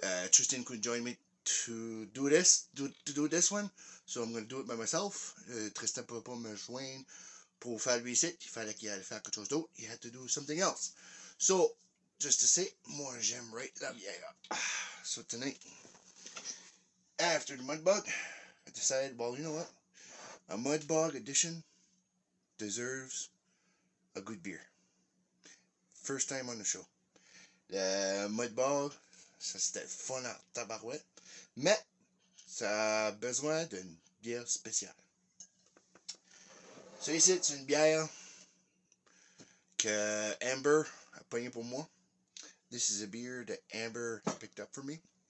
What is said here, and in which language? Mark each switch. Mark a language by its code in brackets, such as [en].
[en] Tristan couldn't join me to do this one, so I'm going to do it by myself. [fr] Tristan ne pouvait pas me joindre pour faire lui ici. Il fallait qu'il allait faire quelque chose d'autre. [en] He had to do something else. So, just to say, [fr] moi j'aimerais la bière. [en] So tonight, after the mudbug, I decided, well, you know what? A mudbug edition deserves a good beer. First time on the show. [fr] Le mudbog, ça c'était fun en tabarouette, mais ça a besoin d'une bière spéciale. Ça ici, c'est une bière que Amber a pognée pour moi. [en] This is a beer that Amber picked up for me.